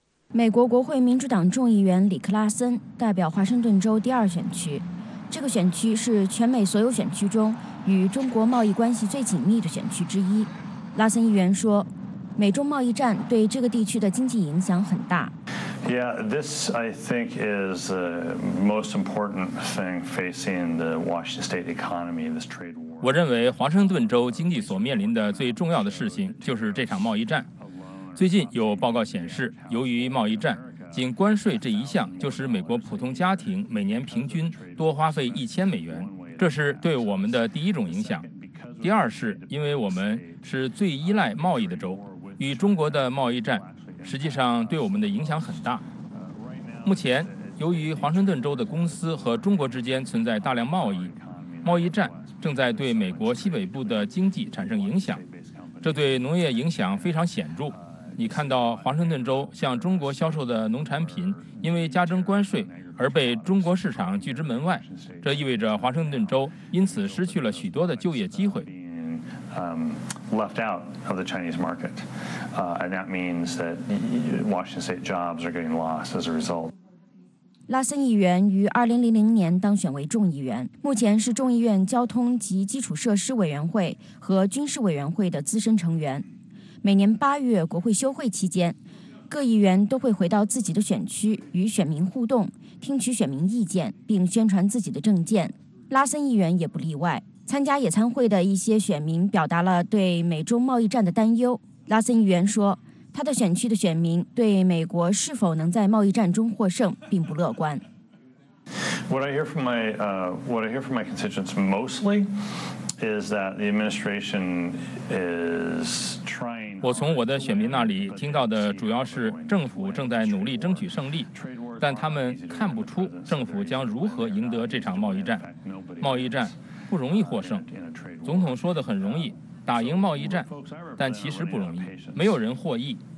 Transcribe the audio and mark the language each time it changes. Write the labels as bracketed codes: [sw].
[zh] 美国国会民主党众议员里克·拉森代表华盛顿州第二选区，这个选区是全美所有选区中与中国贸易关系最紧密的选区之一。拉森议员说，美中贸易战对这个地区的经济影响很大。 [en] Yeah, this I think is the most important thing facing the Washington State economy in this trade war. [zh] 我认为华盛顿州经济所面临的最重要的事情就是这场贸易战。最近有报告显示，由于贸易战，仅关税这一项就使美国普通家庭每年平均多花费$1,000，这是对我们的第一种影响。第二是因为我们是最依赖贸易的州，与中国的贸易战实际上对我们的影响很大。目前由于华盛顿州的公司和中国之间存在大量贸易，贸易战正在对美国西北部的经济产生影响，这对农业影响非常显著。你看到华盛顿州向中国销售的农产品因为加征关税而被中国市场拒之门外，这意味着华盛顿州因此失去了许多的就业机会。 [en] Left out of the Chinese market, and that means that Washington State jobs are getting lost as a result. [zh] 拉森议员于2000年当选为众议员，目前是众议院交通及基础设施委员会和军事委员会的资深成员。每年八月国会休会期间，各议员都会回到自己的选区与选民互动，听取选民意见，并宣传自己的政见。拉森议员也不例外。参加野餐会的一些选民表达了对美中贸易战的担忧。拉森议员说，他的选区的选民对美国是否能在贸易战中获胜并不乐观。 [en] What I hear from my constituents mostly is that the administration is trying. [zh] 我从我的选民那里听到的主要是政府正在努力争取胜利，但他们看不出政府将如何赢得这场贸易战。贸易战不容易获胜，总统说的很容易，打赢贸易战，但其实不容易，没有人获益。